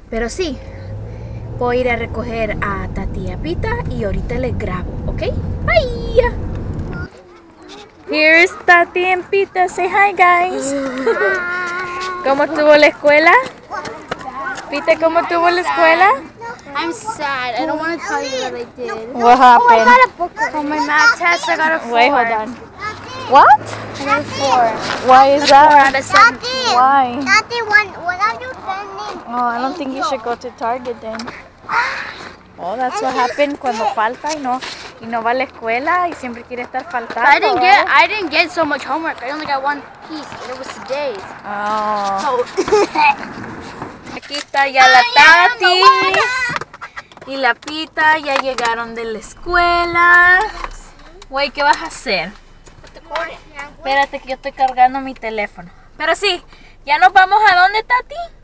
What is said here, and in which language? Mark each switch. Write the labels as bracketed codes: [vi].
[es] Pero sí, voy a ir a recoger a Tati y a Pita y ahorita les grabo, ¿ok? [en] Bye. Here's Tati and Pita. Say hi, guys. [es] ¿Cómo estuvo la escuela? Pita, ¿cómo estuvo la escuela? [en] I'm sad. I don't want to tell you what I did. What happened? Oh, I got a book. On my math test, I got a 4. Wait, hold on. What? I got a 4. Why is that? 4 out of 7. Tati. Why? Tati, what are you sending? Oh, I don't think you should go to Target then. Oh, that's what happened [es] cuando falta y no va a la escuela y siempre quiere estar faltando. [en] But I didn't get so much homework. I only got one piece and it was today's. Oh. So. [es] Aquí está ya la Tati y la Pita ya llegaron de la escuela. Güey, ¿qué vas a hacer? Espérate que yo estoy cargando mi teléfono. Pero sí, ¿ya nos vamos a dónde, Tati?